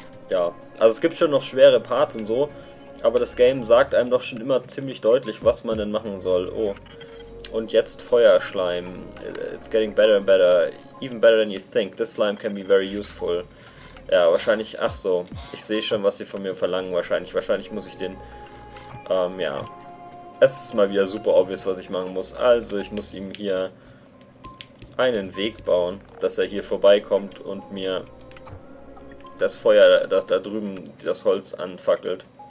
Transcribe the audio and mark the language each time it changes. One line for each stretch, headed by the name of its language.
German: Ja, also es gibt schon noch schwere Parts und so, aber das Game sagt einem doch schon immer ziemlich deutlich, was man denn machen soll. Oh. Und jetzt Feuerschleim.
English: It's getting better and better. Even better than you think. This slime can be very useful.
German: Ja, wahrscheinlich... Ach so. Ich sehe schon, was sie von mir verlangen. Wahrscheinlich muss ich den... ja. Es ist mal wieder
English: super obvious,
German: was ich machen muss. Also, ich muss ihm hier einen Weg bauen, dass er hier vorbeikommt und mir das Feuer da drüben, das Holz anfackelt.